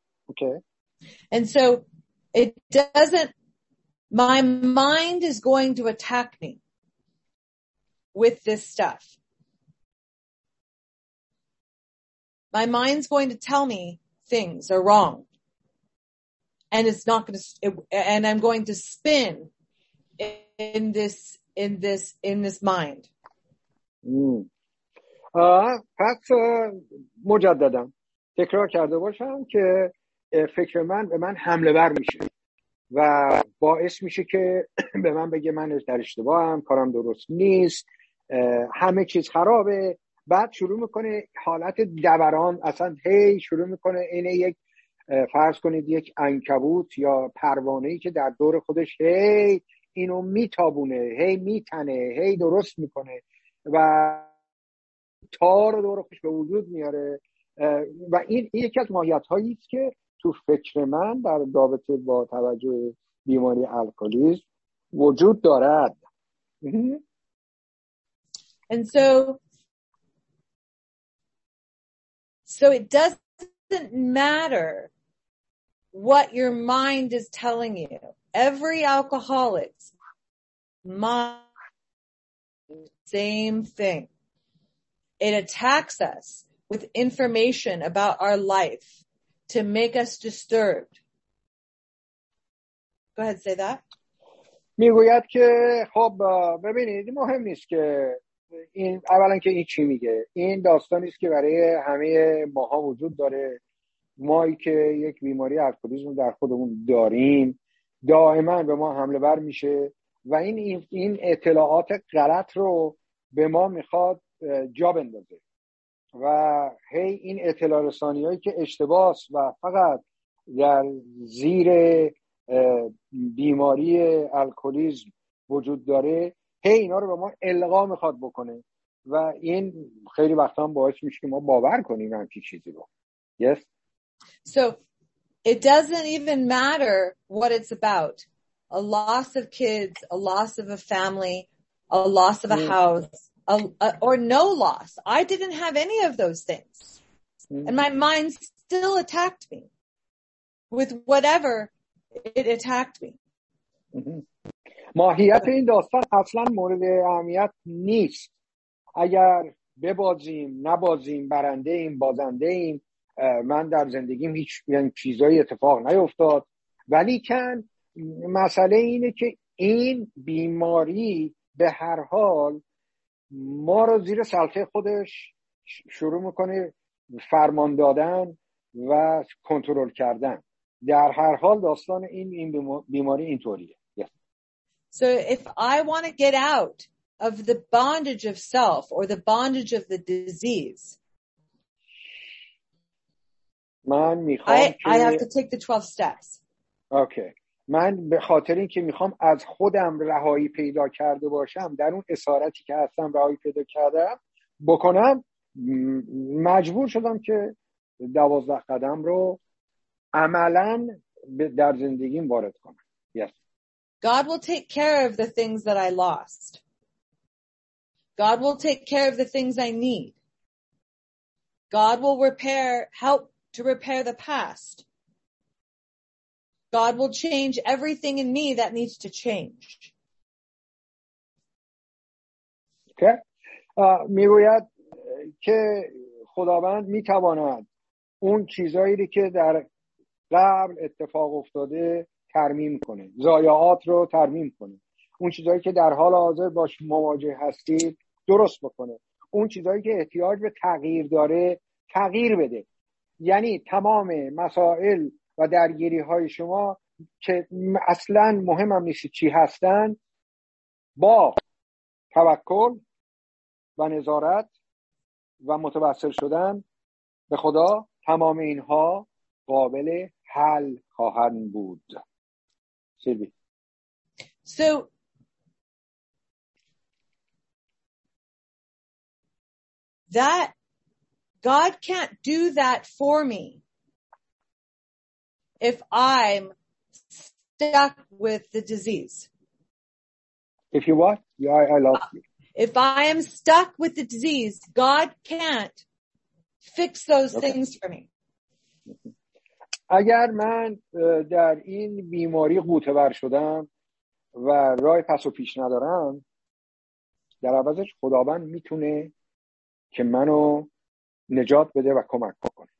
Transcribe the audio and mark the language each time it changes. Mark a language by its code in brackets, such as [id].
[en] Okay. And so it doesn't, my mind is going to attack me with this stuff. My mind's going to tell me things are wrong. And it's not going to, and I'm going to spin in this mind. Mm. [fa] پس مجددم تکرار کرده باشم که فکر من به من حمله بر میشه و باعث میشه که به من بگه من در اشتباهم، کارم درست نیست، همه چیز خرابه. بعد شروع میکنه حالت دوران، اصلا هی شروع میکنه اینه یک، فرض کنید یک عنکبوت یا پروانهی که در دور خودش هی اینو میتابونه، هی میتنه، هی درست میکنه و تار دور خودش به وجود میاره. و این یکی از ماهیت‌هاییست که تو فکر من در رابطه با توجه بیماری الکلیسم وجود دارد. [en] And so it doesn't matter what your mind is telling you. Every alcoholic's mind, same thing. It attacks us with information about our life to make us disturbed. Go ahead, say that. [fa] میگوید که خب ببینید مهم نیست که این، اولا که این چی میگه، این داستانی است که برای همه ماها وجود داره. مایی که یک بیماری الکلیسم در خودمون داریم دائما به ما حمله بر میشه و این اطلاعات غلط رو به ما میخواد جا بندازه و هی این اطلاع رسانیایی که اشتباس و فقط در زیر بیماری الکلیسم وجود داره، هی اینا رو به ما القا میخواد بکنه و این خیلی وقتا هم باعث میشه که ما باور کنیم همچی چیزی رو. [en] Yes. So it doesn't even matter what it's about. A loss of kids, a loss of a family, a loss of a house, or no loss. I didn't have any of those things. And my mind still attacked me with whatever it attacked me. [fa] ماهیت این داستان اصلا مورد اهمیت نیست. اگر ببازیم نبازیم، برنده ایم بازنده ایم، من در زندگیم هیچ چیزای اتفاق نیفتاد. ولیکن مسئله اینه که این بیماری به هر حال ما رو زیر سلطه خودش شروع میکنه فرمان دادن و کنترل کردن. در هر حال داستان این بیماری اینطوریه. [en] So if I want to get out of the bondage of self or the bondage of the disease, [fa] من میخوام [en] I have to take the 12 steps. Okay. [fa] من به خاطر اینکه میخوام از خودم رهایی پیدا کرده باشم، در اون اسارتی که هستم رهایی پیدا کردم بکنم، مجبور شدم که 12 قدم رو عملا در زندگیم وارد کنم. [en] Yes. God will take care of the things that I lost. God will take care of the things I need. God will help to repair the past. God will change everything in me that needs to change. Okay. [fa] میگوید که خداوند میتواند اون چیزایی که در قبل اتفاق افتاده ترمیم کنه، ضایعات رو ترمیم کنه، اون چیزایی که در حال حاضر باش مواجه هستید درست بکنه، اون چیزایی که احتیاج به تغییر داره تغییر بده. یعنی تمام مسائل و درگیری های شما که اصلا مهم هم نیست چی هستن، با توکل و نظارت و متوسل شدن به خدا تمام اینها قابل حل خواهند بود. [en] So, that God can't do that for me if I'm stuck with the disease. If you what? Yeah, I love you. If I am stuck with the disease, God can't fix those things for me. [fa] اگر من در این بیماری غوطه ور شدم و راه پس و پیش ندارم، در عوضش خداوند میتونه که منو نجات بده و کمک کنه.